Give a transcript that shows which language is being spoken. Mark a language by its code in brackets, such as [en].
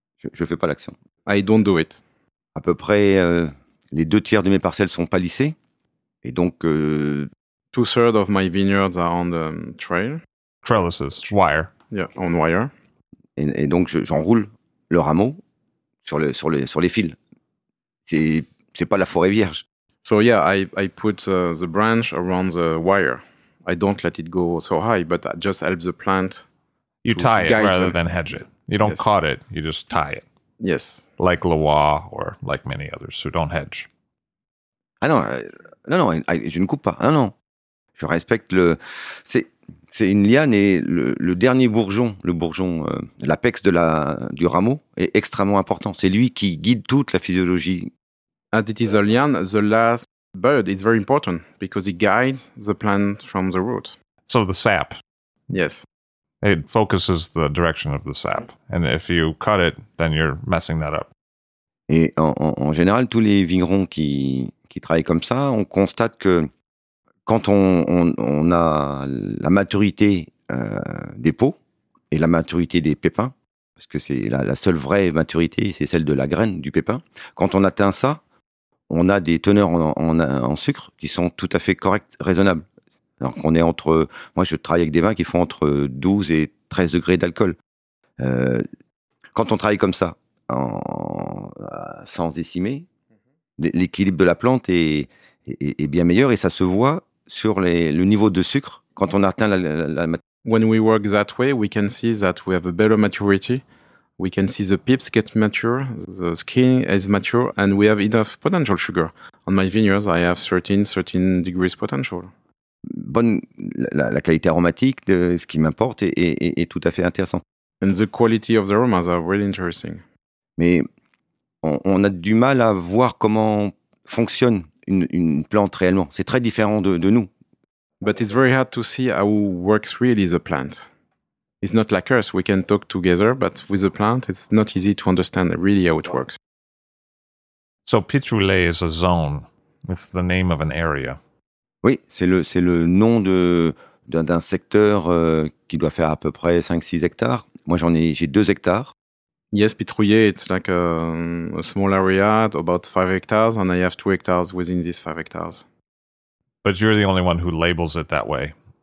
[fr] je ne fais pas l'action. [en] I don't do it. [fr] À peu près, les deux tiers de mes parcelles sont palissées. Et donc... [en] Two-thirds of my vineyards are on the trail. Trellises, wire. Yeah, on wire. [fr] Et donc, j'enroule le rameau sur les fils. C'est pas la forêt vierge. [en] So yeah, I put the branch around the wire. I don't let it go so high, but I just help the plant. You tie it rather than hedge it. You don't cut it, you just tie it. Yes. Like Loire or like many others who don't hedge. [fr] Ah non, je ne coupe pas. Ah non, je respecte le... C'est une liane et le dernier bourgeon, le bourgeon, l'apex du rameau est extrêmement important. C'est lui qui guide toute la physiologie. [en] As it is a liane, the last bud is very important because it guides the plant from the root. So the sap. Yes. It focuses the direction of the sap. And if you cut it, then you're messing that up. [fr] Et en général, tous les vignerons qui travaillent comme ça, on constate que quand on a la maturité des pots et la maturité des pépins, parce que c'est la seule vraie maturité, c'est celle de la graine, du pépin, quand on atteint ça, on a des teneurs en sucre qui sont tout à fait correctes, raisonnables. Alors qu'on est entre... Moi, je travaille avec des vins qui font entre 12 et 13 degrés d'alcool. Quand on travaille comme ça, sans décimer, l'équilibre de la plante est bien meilleur et ça se voit sur le niveau de sucre quand on atteint la maturité. [en] When we work that way, we can see that we have a better maturity. We can see the pips get mature, the skin is mature, and we have enough potential sugar. On my vineyards, I have 13 degrees potential. [fr] Bonne, la qualité aromatique de ce qui m'importe est tout à fait intéressante. [en] And the quality of the aromas are really interesting. [fr] Mais on a du mal à voir comment fonctionne une plante réellement. C'est très différent de nous. [en] But it's very hard to see how works really the plant. It's not like us. We can talk together, but with the plant, it's not easy to understand really how it works. So Pitroulet is a zone. It's the name of an area. [fr] Oui, c'est le nom de d'un secteur qui doit faire à peu près 5-6 hectares. Moi, j'ai 2 hectares. [en] Yes, Pitroulet, it's like a small area, about 5 hectares, and I have 2 hectares within these 5 hectares. But you're the only one who labels it that way.